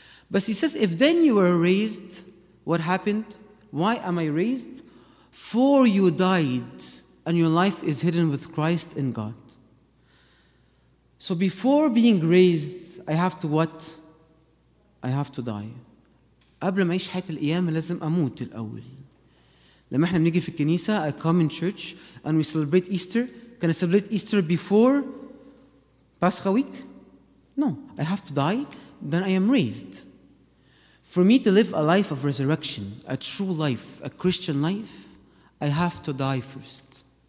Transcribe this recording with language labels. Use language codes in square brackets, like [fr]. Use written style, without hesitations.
[en] But he says, if then you were raised, what happened? Why am I raised? For you died, and your life is hidden with Christ in God. So before being raised, I have to what? I have to die. [ar] قبل ما أعيش حياة القيامة لازم أموت الأول. لما إحنا بنيجي في الكنيسة, [en] I come in church and we celebrate Easter. Can I celebrate Easter before Pascha week? No, I have to die, then I am raised. For me to live a life of resurrection, a true life, a Christian life, I have to die first.